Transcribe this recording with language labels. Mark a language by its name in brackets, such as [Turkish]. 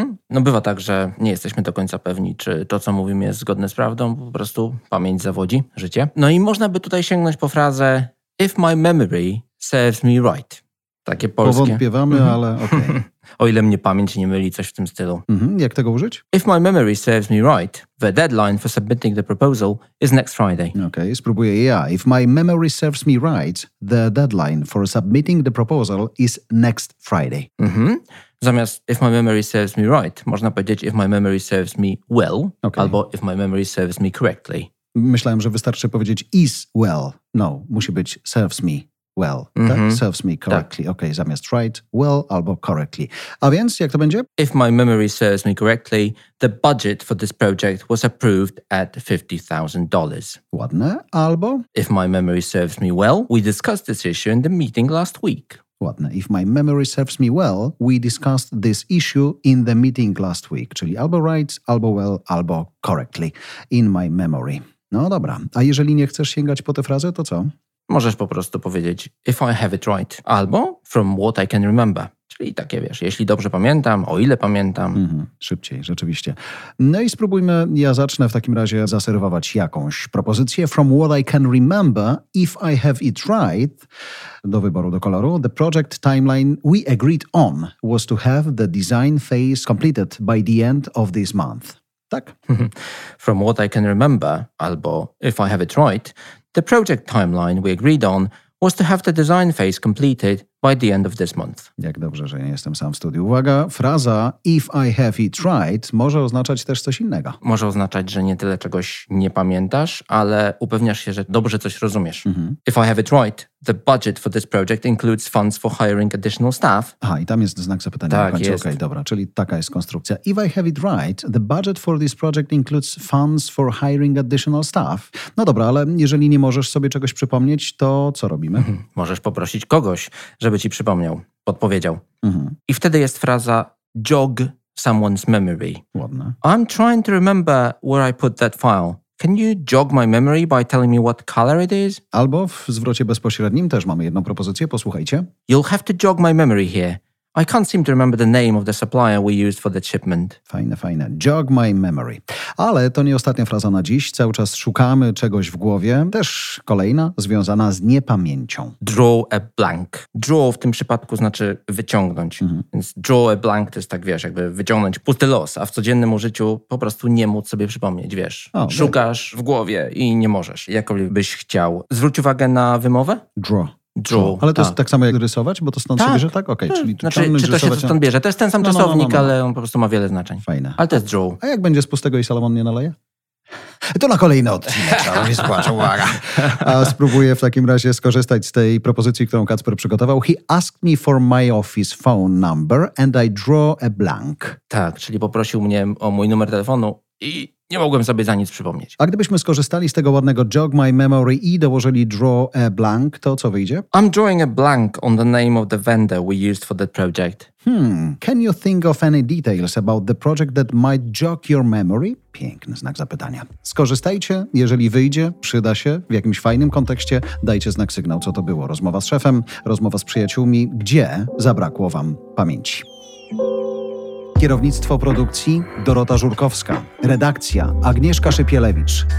[Polish] No bywa tak, że nie jesteśmy do końca pewni, czy to, co mówimy, jest zgodne z prawdą. Po prostu pamięć zawodzi życie. No i można by tutaj sięgnąć po frazę [English] "If my memory serves me right". [Polish] Takie polskie. Powątpiewamy, ale okej. Okay. O ile mnie pamięć nie myli, coś w tym stylu. Jak tego użyć? [English] If my memory serves me right, the deadline for submitting the proposal is next Friday. [Polish] Okej, spróbuję ja. [English] If my memory serves me right, the deadline for submitting the proposal is next Friday. [Polish] Zamiast [English] if my memory serves me right, [Polish] można powiedzieć [English] if my memory serves me well, okay, [Polish] albo [English] if my memory serves me correctly. [Polish] Myślałem, że wystarczy powiedzieć is well. No, musi być [English] serves me well. Mm-hmm. That serves me correctly. [Polish] Tak. Okay, zamiast right, well albo correctly. A więc, jak to będzie? [English] If my memory serves me correctly, the budget for this project was approved at $50,000. [Polish] Ładne. Albo? [English] If my memory serves me well, we discussed this issue in the meeting last week. [Polish] Ładne. [English] If my memory serves me well, we discussed this issue in the meeting last week. [Polish] Czyli albo right, albo well, albo correctly. [English] In my memory. [Polish] No dobra. A jeżeli nie chcesz sięgać po tę frazę, to co? Możesz po prostu powiedzieć [English] if I have it right, [Polish] albo [English] from what I can remember. [Polish] Czyli takie, wiesz, jeśli dobrze pamiętam, o ile pamiętam. Szybciej, rzeczywiście. No i spróbujmy, ja zacznę w takim razie zaserwować jakąś propozycję. [English] From what I can remember, if I have it right, [Polish] do wyboru, do koloru, [English] the project timeline we agreed on was to have the design phase completed by the end of this month. [Polish] Tak? [English] From what I can remember, albo if I have it right, the project timeline we agreed on was to have the design phase completed by the end of this month. [Polish] Jak dobrze, że nie jestem sam w studiu. Uwaga, fraza [English] if I have it right [Polish] może oznaczać też coś innego. Może oznaczać, że nie tyle czegoś nie pamiętasz, ale upewniasz się, że dobrze coś rozumiesz. [English] If I have it right, the budget for this project includes funds for hiring additional staff. [Polish] Aha, i tam jest znak zapytania. Tak, na końcu. Jest. Okej, dobra, czyli taka jest konstrukcja. [English] If I have it right, the budget for this project includes funds for hiring additional staff. [Polish] No dobra, ale jeżeli nie możesz sobie czegoś przypomnieć, to co robimy? Możesz poprosić kogoś, żeby ci przypomniał, podpowiedział. I wtedy jest fraza [English] jog someone's memory. [Polish] Ładne. [English] I'm trying to remember where I put that file. Can you jog my memory by telling me what color it is? [Polish] Albo w zwrocie bezpośrednim też mamy jedną propozycję, posłuchajcie. [English] You'll have to jog my memory here. I can't seem to remember the name of the supplier we used for that shipment. [Polish] Fajne, fajne. [English] Jog my memory. [Polish] Ale to nie ostatnia fraza na dziś. Cały czas szukamy czegoś w głowie. Też kolejna, związana z niepamięcią. [English] Draw a blank. [Polish] Draw w tym przypadku znaczy wyciągnąć. Więc [English] draw a blank [Polish] to jest tak, wiesz, jakby wyciągnąć pusty los, a w codziennym życiu po prostu nie móc sobie przypomnieć, wiesz. Szukasz w głowie i nie możesz. Jakkolwiek byś chciał. Zwróć uwagę na wymowę. [English] Draw. [Polish] Ale to jest tak samo jak rysować, bo to stąd sobie, że tak? Okej, czyli znaczy, czy to się rysować, stąd bierze? To jest ten sam czasownik, ale on po prostu ma wiele znaczeń. Fajne. Ale to jest draw. A jak będzie z pustego i Salomon nie naleje? To na kolejny odcinek, ale mi zgłasz, uwaga. A spróbuję w takim razie skorzystać z tej propozycji, którą Kacper przygotował. [English] He asked me for my office phone number and I draw a blank. [Polish] Tak, czyli poprosił mnie o mój numer telefonu i nie mogłem sobie za nic przypomnieć. A gdybyśmy skorzystali z tego ładnego [English] jog my memory [Polish] i dołożyli [English] draw a blank, [Polish] to co wyjdzie? [English] I'm drawing a blank on the name of the vendor we used for that project. Can you think of any details about the project that might jog your memory? [Polish] Piękny znak zapytania. Skorzystajcie, jeżeli wyjdzie, przyda się, w jakimś fajnym kontekście, dajcie znak sygnał, co to było. Rozmowa z szefem, rozmowa z przyjaciółmi, gdzie zabrakło wam pamięci. Kierownictwo produkcji Dorota Żurkowska. Redakcja Agnieszka Szypielewicz.